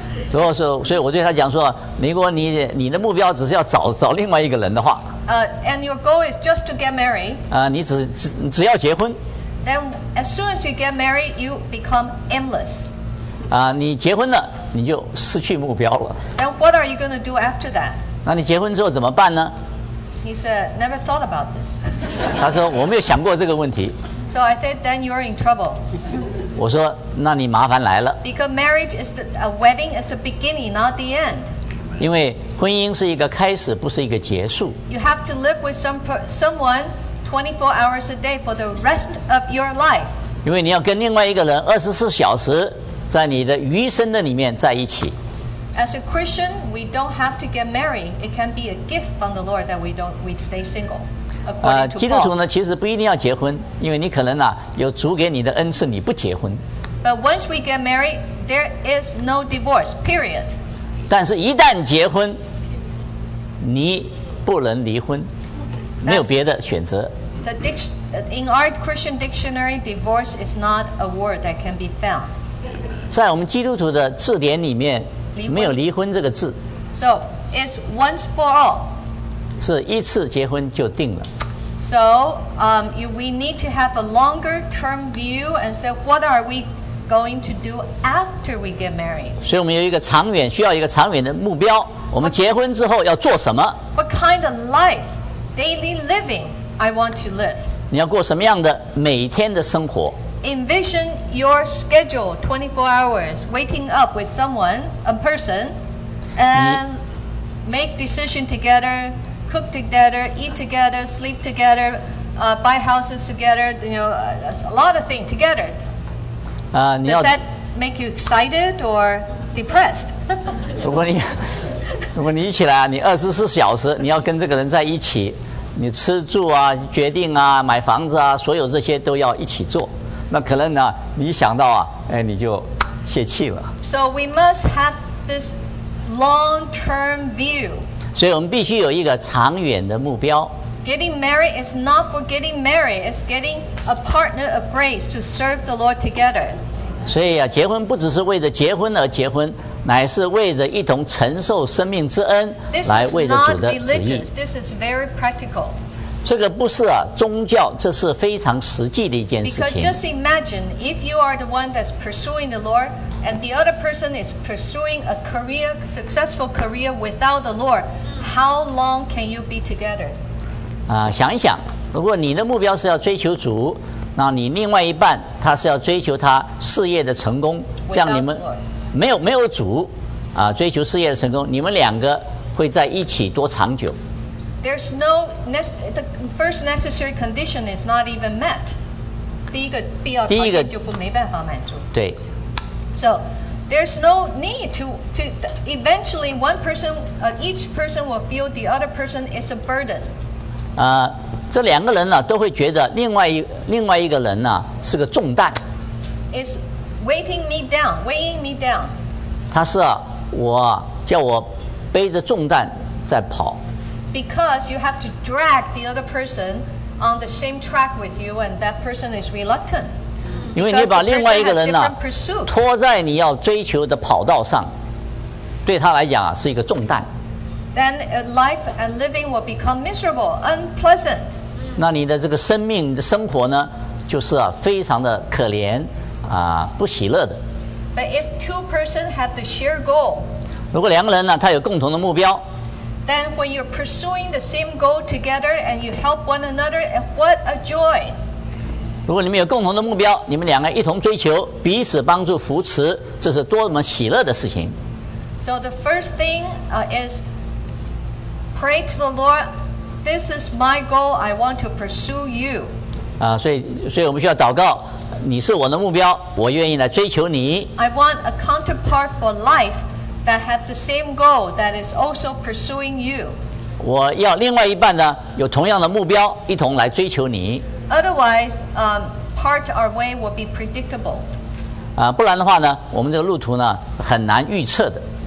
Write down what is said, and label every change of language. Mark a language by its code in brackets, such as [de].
[zh] 所以我对他讲说，如果你的目标只是要找另外一个人的话。 [en] And your goal is just to get married. [zh] 你只要结婚。 [en] Then as soon as you get married, you become aimless. [zh] 你结婚了，你就失去目标了。 [en] Then what are you going to do after that? [zh] 那你结婚之后怎么办呢？ [en] He said, never thought about this. [zh] 他说我没有想过这个问题。 [en] So I said, then you're in trouble. [zh] 我说那你麻烦来了。 [en] Because marriage is a wedding is the beginning, not the end. [zh] 因为婚姻是一个开始，不是一个结束。 [en] You have to live with someone 24 hours a day for the rest of your life. [zh] 因为你要跟另外一个人24小时。在你的余生的里面在一起。 [en] As a Christian, we don't have to get married. It can be a gift from the Lord that we stay single. [zh] 基督徒呢，其实不一定要结婚，因为你可能有主给你的恩赐，你不结婚。 [en] But once we get married, there is no divorce. Period. [zh] 但是，一旦结婚，你不能离婚，没有别的选择。 [en] In our Christian dictionary, divorce is not a word that can be found. [zh] 在我们基督徒的字典里面没有离婚这个字。 [en] So it's once for all. [zh] 是一次结婚就定了。 [en] So we need to have a longer term view and say what are we going to do after we get married. [zh] 所以我们有一个长远需要一个长远的目标，我们结婚之后要做什么。 [en] What kind of life, daily living, I want to live. [zh] 你要过什么样的每天的生活？ [en] Envision your schedule 24 hours waking up with someone, a person, and make decision together, cook together, eat together, sleep together, buy houses together, you know, a lot of things together. Does that make you excited or depressed? [zh] 如果你起来，你24小时，你要跟这个人在一起，你吃住啊，决定啊，买房子啊，所有这些都要一起做。那可能呢，你想到啊，哎，你就泄气了。 [en] So we must have this long-term view. [zh] 所以我们必须有一个长远的目标。 [en] Getting married is not for getting married; it's getting a partner of grace to serve the Lord together. [zh] 所以啊，结婚不只是为了结婚而结婚，乃是为着一同承受生命之恩，来为着主的旨意。 [en] This is very practical. [zh] 这个不是啊，宗教，这是非常实际的一件事情。 [en] Because just imagine if you are the one that's pursuing the Lord, and the other person is pursuing a career, successful career without the Lord, how long can you be together? [zh] 啊，想一想，如果你的目标是要追求主，那你另外一半他是要追求他事业的成功，这样你们没有主啊，追求事业的成功，你们两个会在一起多长久？ [en] There's no the first necessary condition is not even met. [zh] 第一个必要条件就不没办法满足。对。 [en] So there's no need to eventually one person, each person will feel the other person is a burden. [zh] 这两个人呢、啊、都会觉得另外一个人呢、啊、是个重担。 [en] Is weighing me down. [zh] 他是、啊、我叫我背着重担在跑。 [en] Because you have to drag the other person on the same track with you, and that person is reluctant. Because you [zh] 把另外一个人呢、啊、拖在你要追求的跑道上，对他来讲、啊、是一个重担。 [en] Then life and living will become miserable, unpleasant. [zh] 那你的这个生命的生活呢，就是啊，非常的可怜啊，不喜乐的。 [en] But if two persons have the shared goal, [zh] 如果两个人呢、啊，他有共同的目标。 [en] Then when you're pursuing the same goal together and you help one another, what a joy! [zh] 如果你们有共同的目标，你们两个一同追求，彼此帮助扶持，这是多么喜乐的事情！ [en] So the first thing is pray to the Lord. This is my goal. I want to pursue you. [zh] 所以我们需要祷告。你是我的目标，我愿意来追求你。 [en] I want a counterpart for life. That have the same goal that is also pursuing you. [zh] 我要另外一半呢，有同样的目标，一同来追求你。 [en] Otherwise, part our way will be predictable. [zh] 不然的话呢，我们这个路途呢很难预测的。